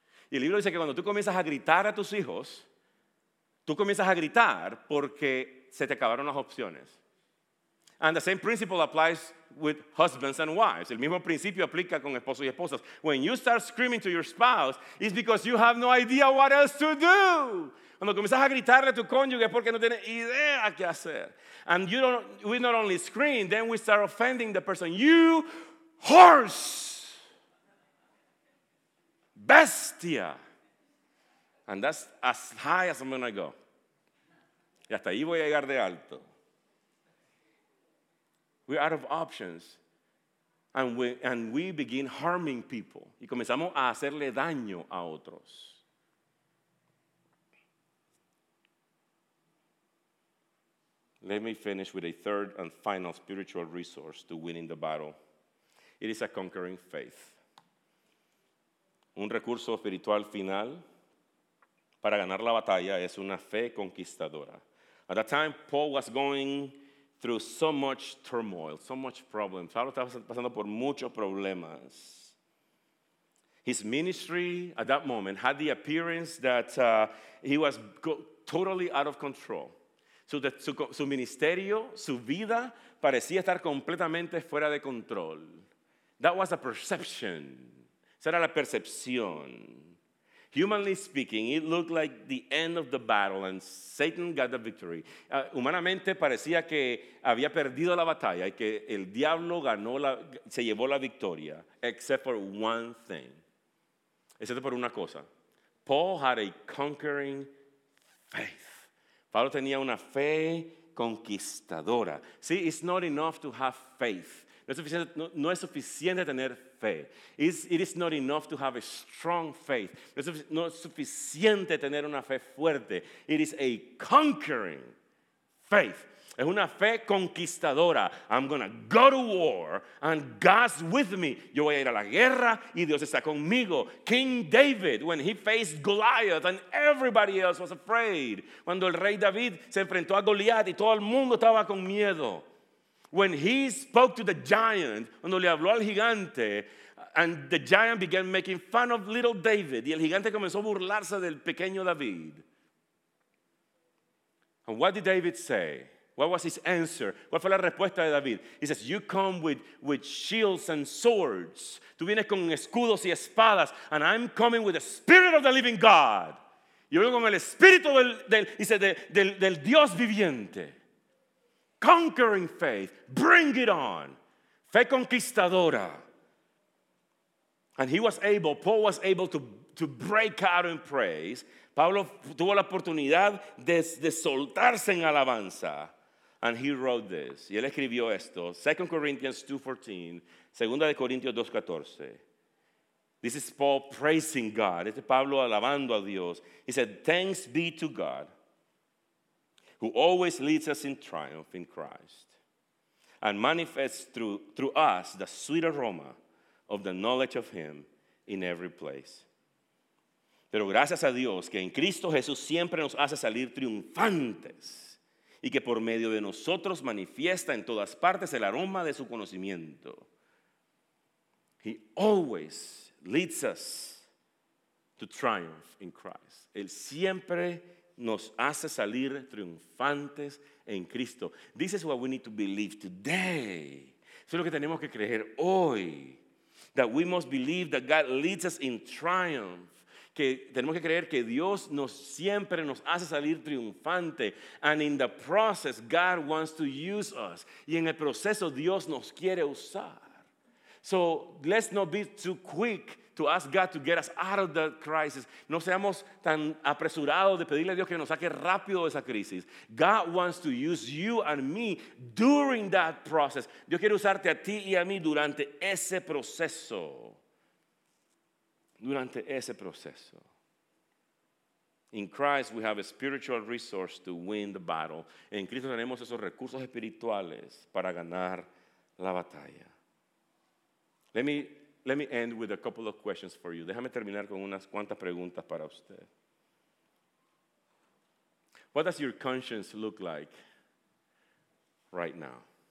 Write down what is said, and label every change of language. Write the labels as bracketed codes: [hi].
[es] Y el libro dice que cuando tú comienzas a gritar a tus hijos, tú comienzas a gritar porque se te acabaron las opciones. [en] And the same principle applies with husbands and wives. [es] El mismo principio aplica con esposos y esposas. [en] When you start screaming to your spouse, it's because you have no idea what else to do. [es] Cuando comienzas a gritarle a tu cónyuge es porque no tienes idea qué hacer. [en] And you don't, we not only scream, then we start offending the person. You horse! [es] Bestia! [en] And that's as high as I'm going to go. [es] Y hasta ahí voy a llegar de alto. [en] We're out of options. And we begin harming people. [es] Y comenzamos a hacerle daño a otros. [en] Let me finish with a third and final spiritual resource to winning the battle. It is a conquering faith. [es] Un recurso espiritual final para ganar la batalla es una fe conquistadora. [en] At that time, Paul was going through so much turmoil, so much problems. [es] Pablo estaba pasando por muchos problemas. [en] His ministry at that moment had the appearance that he was totally out of control. [es] Su ministerio, su vida, parecía estar completamente fuera de control. [en] That was a perception. [es] Esa era la percepción. [en] Humanly speaking, it looked like the end of the battle and Satan got the victory. [es] Humanamente parecía que había perdido la batalla y que el diablo ganó se llevó la victoria, [en] except for one thing. [es] Excepto por una cosa. [en] Paul had a conquering faith. [es] Pablo tenía una fe conquistadora. [en] See, it's not enough to have faith. [es] No es suficiente tener fe. [en] It is not enough to have a strong faith. [es] No es suficiente tener una fe fuerte. [en] It is a conquering faith. [es] Es una fe conquistadora. [en] I'm going to go to war and God's with me. [es] Yo voy a ir a la guerra y Dios está conmigo. [en] King David, when he faced Goliath and everybody else was afraid. [es] Cuando el rey David se enfrentó a Goliath y todo el mundo estaba con miedo. [en] When he spoke to the giant, [es] cuando le habló al gigante, [en] and the giant began making fun of little David, [es] y el gigante comenzó a burlarse del pequeño David. [en] And what did David say? What was his answer? [es] ¿Cuál fue la respuesta de David? [en] He says, you come with shields and swords. [es] Tú vienes con escudos y espadas, [en] and I'm coming with the Spirit of the living God. [es] Yo vengo con el Espíritu del Dios viviente. [en] Conquering faith, bring it on. [es] Fe conquistadora. [en] And he was able, Paul was able to break out in praise. [es] Pablo tuvo la oportunidad de soltarse en alabanza. [en] And he wrote this. [es] Y él escribió esto. [en] 2 Corinthians 2:14, [es] 2 Corintios 2:14. [en] This is Paul praising God. Este Pablo alabando a Dios. He said, thanks be to God, who always leads us in triumph in Christ and manifests through us the sweet aroma of the knowledge of him in every place. [es] Pero gracias a Dios que en Cristo Jesús siempre nos hace salir triunfantes y que por medio de nosotros manifiesta en todas partes el aroma de su conocimiento. [en] He always leads us to triumph in Christ. [es] Él siempre nos hace salir triunfantes en Cristo. [en] This is what we need to believe today. [es] Eso es lo que tenemos que creer hoy. [en] That we must believe that God leads us in triumph. [es] Que tenemos que creer que Dios nos siempre nos hace salir triunfante. [en] And in the process, God wants to use us. [es] Y en el proceso, Dios nos quiere usar. [en] So let's not be too quick to ask God to get us out of that crisis. [es] No seamos tan apresurados de pedirle a Dios que nos saque rápido de esa crisis. [en] God wants to use you and me during that process. [es] Dios quiere usarte a ti y a mí durante ese proceso. Durante ese proceso. [en] In Christ we have a spiritual resource to win the battle. [es] En Cristo tenemos esos recursos espirituales para ganar la batalla. [en] Let me end with a couple of questions for you. [es] Déjame terminar con unas cuantas preguntas para usted. [en] What does your conscience look like right now?